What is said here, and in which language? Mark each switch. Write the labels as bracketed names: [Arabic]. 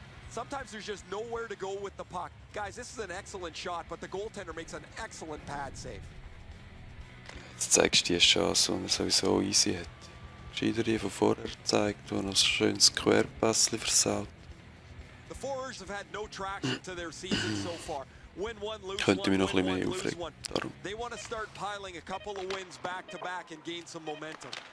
[English] Sometimes there's just nowhere to go with the puck. Guys, this is an excellent shot, but the goaltender makes an excellent pad save. [German] Jetzt zeigst du die Chance, die er sowieso easy hat. Gescheiter die von vorher zeigt, wo er noch ein schönes Querpässchen versaut. No so ich könnte mich noch ein bisschen mehr aufregen. Darum. [English] They want to start piling a couple of wins back to back and gain some momentum.